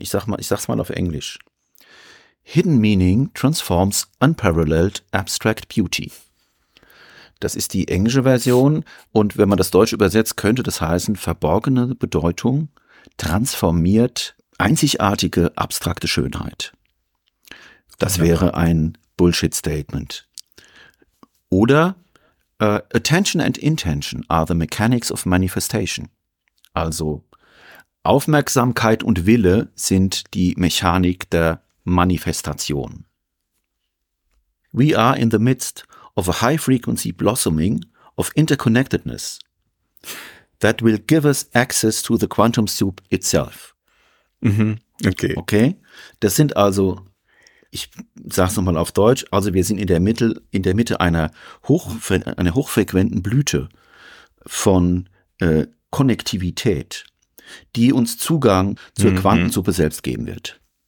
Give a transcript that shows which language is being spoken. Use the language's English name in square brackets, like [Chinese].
[German] Ich sag's mal auf Englisch. [English] Hidden Meaning transforms unparalleled abstract beauty. [German] Das ist die englische Version und wenn man das Deutsch übersetzt, könnte das heißen, verborgene Bedeutung transformiert einzigartige abstrakte Schönheit. Das wäre ein Bullshit-Statement. [English] Oder Attention and Intention are the mechanics of manifestation. [German] Also Aufmerksamkeit und Wille sind die Mechanik der Manifestation. [English] We are in the midst of a high-frequency blossoming of interconnectedness that will give us access to the quantum soup itself. Okay. Okay. [German] Das sind also, ich sag's nochmal auf Deutsch, also wir sind in der Mitte einer hochfrequenten Blüte von Konnektivität, die uns Zugang zur Quantensuppe selbst geben wird.